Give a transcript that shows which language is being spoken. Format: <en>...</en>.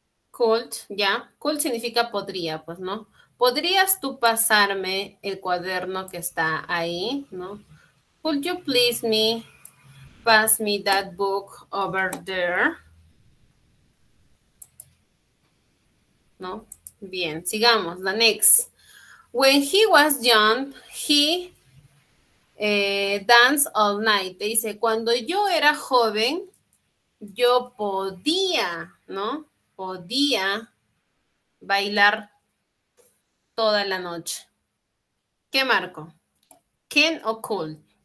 <es>Could, ¿ya? Could significa podría, pues, ¿no? ¿Podrías tú pasarme el cuaderno que está ahí, ¿no?</es> <en>Could you please me pass me that book over there?</en> <es>¿No? Bien, sigamos.</es> <en>The next. When he was young, he danced all night.</en> <es>Te dice, cuando yo era joven, yo podía, ¿no? Podía bailar toda la noche. ¿Qué marco? ¿Can o could?</es>